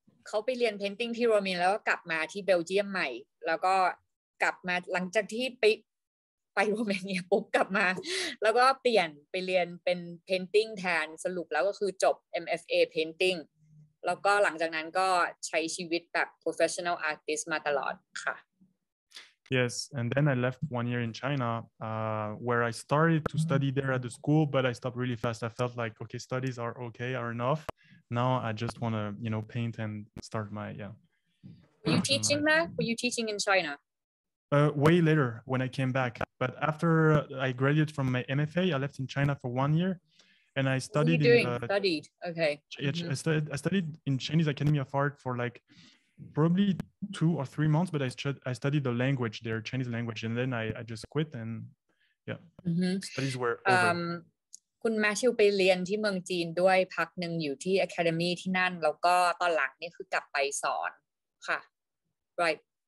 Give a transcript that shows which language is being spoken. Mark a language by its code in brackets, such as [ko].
[th] เขาไปเรียน painting ที่ Romania แล้วก็กลับมาที่เบลเยียมใหม่แล้วก็กลับมาหลังจากที่ไปโรมาเนียปุ๊บกลับมาแล้วก็เปลี่ยนไปเรียนเป็น painting แทนสรุปแล้วก็คือจบ MFA painting แล้วก็หลังจากนั้นก็ใช้ชีวิตแบบ professional artist มาตลอดค่ะ [en] Yes and then I left 1 year in China where I started to study there at the school but I stopped really fast I felt like okay studies are okay are enough now I just want to you know paint and start my yeah Were you teaching there? Were you teaching in China? Way later when I came back but after I graduated from my MFA I left in China for 1 year and I studied what are you doing? Studied okay yeah, mm-hmm. I studied in Chinese Academy of Art for like probably 2 or 3 months but I studied the language their Chinese language and then I just quit and yeah mm-hmm. studies were [th] คุณแมทธิวไปเรียนที่เมืองจีนด้วยพักหนึ่งอยู่ที่ Academy ที่นั่นแล้วก็ตอนหลังนี่คือกลับไปสอนค่ะ right